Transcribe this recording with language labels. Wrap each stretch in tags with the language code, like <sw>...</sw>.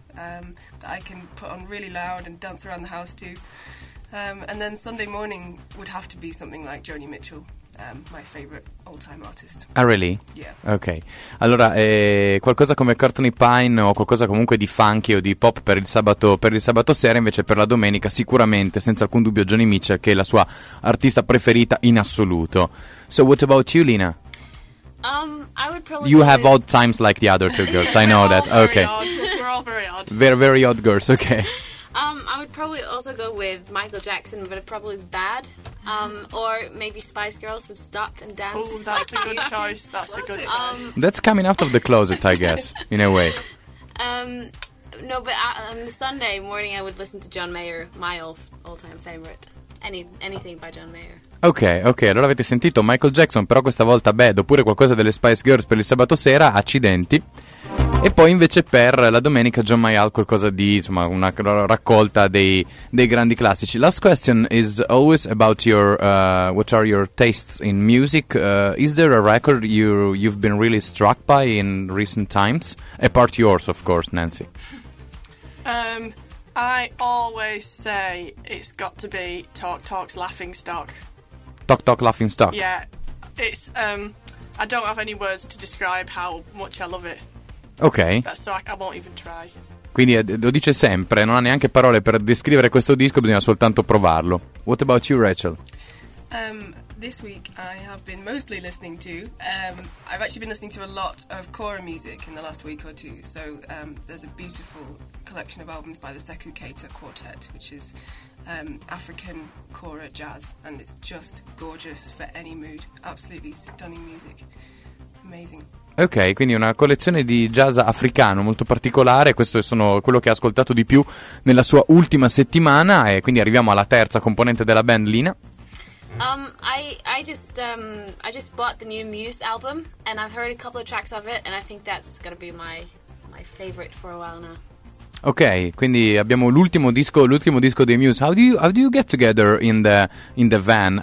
<en>That I can put on really loud and dance around the house to. And then Sunday morning would have to be something like Joni Mitchell, my favorite all-time artist. Ah, really? Yeah. Ok.</en> <it>Allora, qualcosa come Courtney Pine o qualcosa comunque di funky o di pop per il sabato sera, invece per la domenica sicuramente, senza alcun dubbio, Joni Mitchell, che è la sua artista preferita in assoluto.</it> <en>So what about you, Lina? I would probably... You have odd times like the other two girls, I know that. Okay. Very odd girls, okay. I would probably also go with Michael Jackson, but probably Bad. Or maybe Spice Girls with Stop and Dance. Oh, that's a good choice. That's a good choice. That's coming out of the closet, I guess, in a way. No, but on the Sunday morning, I would listen to John Mayer, my all-time favorite. Anything by John Mayer.</en> <it>Ok, allora avete sentito Michael Jackson, però questa volta Bad, oppure qualcosa delle Spice Girls per il sabato sera, accidenti. E poi invece per la domenica John Mayer, qualcosa di, insomma, una raccolta dei grandi classici.</it> <en>Last question is always about your what are your tastes in music? Is there a record you've been really struck by in recent times? Apart yours, of course, Nancy. I always say it's got to be Talk Talk's Laughing Stock. Talk Talk Laughing Stock. Yeah, it's I don't have any words to describe how much I love it. Ok. So I won't even try.</en> <it>Quindi lo dice sempre, non ha neanche parole per descrivere questo disco, bisogna soltanto provarlo.</it> <en>What about you, Rachel? This week I have been mostly listening to I've actually been listening to a lot of Cora music in the last week or two. So there's a beautiful collection of albums by the Sekou Keita Quartet, which is African Cora jazz, and it's just gorgeous for any mood. Absolutely stunning music. Amazing.</en> <it>Ok, quindi una collezione di jazz africano molto particolare, questo sono quello che ha ascoltato di più nella sua ultima settimana, e quindi arriviamo alla terza componente della band, Lina.</it> <en>I just bought the new Muse album, and I've heard a couple of tracks of it, and I think that's gonna be my favorite for a while now.</en> <it>Ok, quindi abbiamo l'ultimo disco dei Muse.</it> <en>How do you get together in the van?</en>